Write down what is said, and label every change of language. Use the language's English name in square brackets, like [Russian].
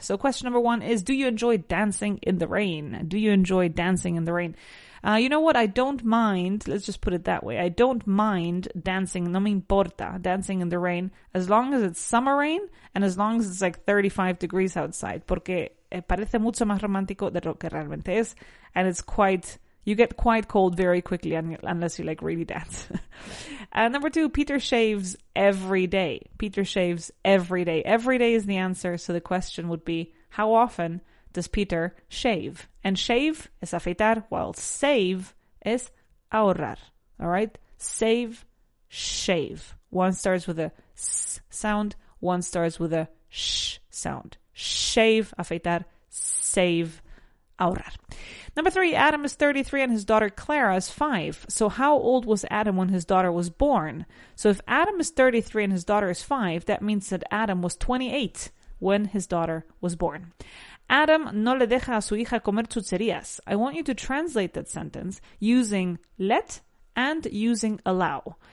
[English] So question number 1 is, do you enjoy dancing in the rain? Do you enjoy dancing in the rain? You know what? I don't mind, let's just put it that way. I don't mind dancing, [Spanish] no me importa, [English] dancing in the rain, as long as it's summer rain and as long as it's like 35 degrees outside. [Spanish] Porque parece mucho más romántico de lo que realmente es. [English] And it's quite, you get quite cold very quickly unless you like really dance. And number 2, Peter shaves every day. Peter shaves every day. Every day is the answer. So the question would be, how often does Peter shave? And shave is afeitar, while save is ahorrar. All right? Save, shave. One starts with a s sound, one starts with a sh sound. Shave, afeitar, save, ahorrar. Number 3, Adam is 33 and his daughter Clara is 5. So how old was Adam when his daughter was born? So if Adam is 33 and his daughter is 5, that means that Adam was 28 when his daughter was born. [Spanish] Adam no le deja a su hija comer chucherías. [English] I want you to translate that sentence using let and using allow.